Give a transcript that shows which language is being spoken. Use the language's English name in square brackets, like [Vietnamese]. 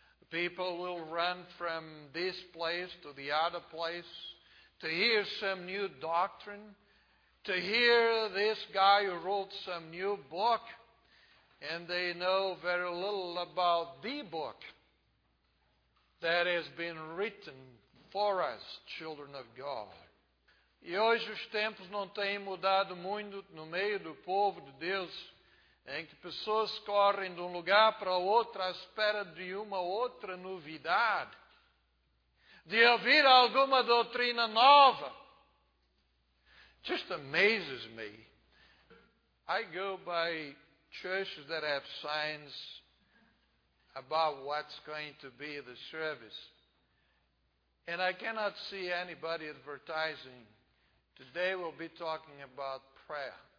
[English] People will run from this place to the other place to hear some new doctrine, to hear this guy who wrote some new book, and they know very little about the book that has been written for us, children of God. [Portuguese] E hoje os tempos não têm mudado muito no meio do povo de Deus, em que pessoas correm de um lugar para outro à espera de uma outra novidade, de ouvir alguma doutrina nova. [English] Just amazes me. I go by churches that have signs about what's going to be the service, and I cannot see anybody advertising, today we'll be talking about prayer.